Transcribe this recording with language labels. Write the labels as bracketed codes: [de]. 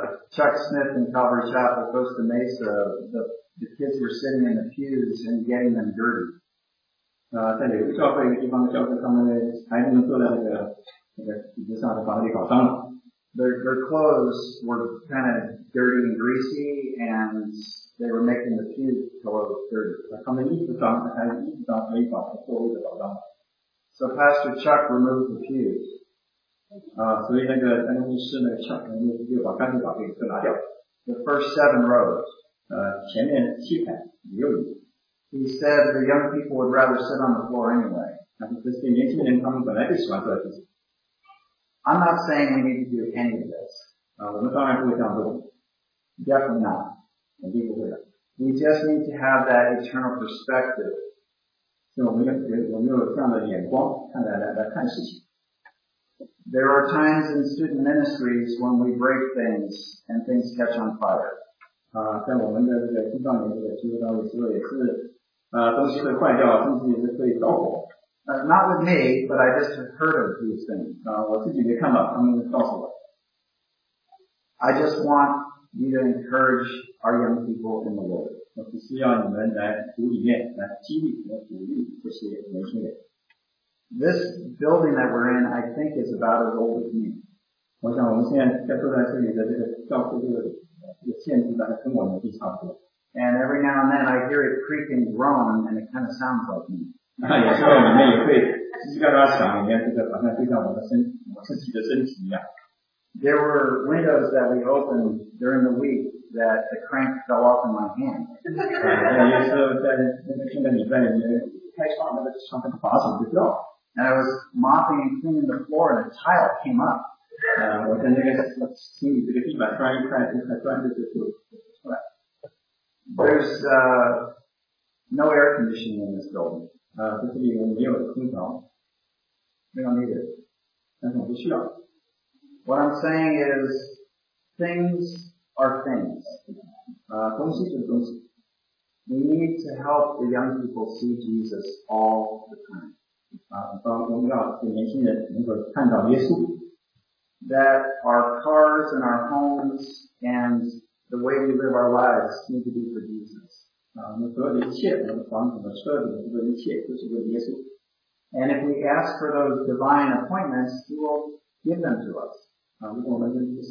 [en] Chuck Smith in Calvary Chapel, Costa Mesa, the kids were sitting in the pews and getting them dirty. [zh] 在有一个教会，一个地方的教会，他们的孩子们坐在那个椅子上，把那里搞脏了。 [en] Their clothes were kind of dirty and greasy, and they were making the pew pillows dirty. [zh] 他们衣服脏，还有衣服脏，所以搞的座位都搞脏。 [en] So Pastor Chuck removed the pews. [zh] 所以那个牧师那个 Chuck 就把干脆把这个拿掉。 [en] The first seven rows. [zh] 前面七排六椅。 [en] He said the young people would rather sit on the floor anyway. [zh] 这些年轻人他们本来就喜欢坐在地上。 [en] I'm not saying we need to do any of this. [zh] 我们当然不会这样做。 [en] Definitely not. [zh] 肯定不会的。 [en] We just need to have that eternal perspective. [zh] 所以我们有这样的眼光来看事情。 [en] There are times in student ministries when we break things and things catch on fire. [zh] 在我们的这个青少年这个机构单位时候也是东西会坏掉，甚至也是会着火。 [en] Not with me, but I just have heard of these things. [zh] 我自己没看到，他们告诉我。 [en] I just want you to encourage our young people in the Lord. [zh] 我只需要你们来鼓励面，来激励和鼓励这些年轻人。 [en] This building that we're in, I think, is about as old as me. [zh] 我想我们现在坐在这里的这个教会这个建筑大概跟我年纪差不多。 [en] And every now and then I hear it creaking groan and it kind of sounds like me. [zh] 有时候里面也会叽叽嘎嘎响，里面这个好像就像我自己的身体一样。 [en] There were windows that we opened during the week that the crank fell off in my hand. [zh] 有时候在那个礼拜里面开窗，那个窗那个把手就掉了。 [en] And I was mopping and cleaning the floor, and a tile came up. [zh] 我在那个清理这个地板，突然一看，这块砖就出来。 [en] There's no air conditioning in this building. [zh] 在这里我没有空调，没有那个，但是我不需要。 [en] What I'm saying is, things are things. [zh] 东西就是东西。 [en] We need to help the young people see Jesus all the time. [zh] 我们要给年轻人能够看到耶稣。 [en] That our cars and our homes and the way we live our lives need to be for Jesus. And if we ask for those divine appointments, He will give them to us.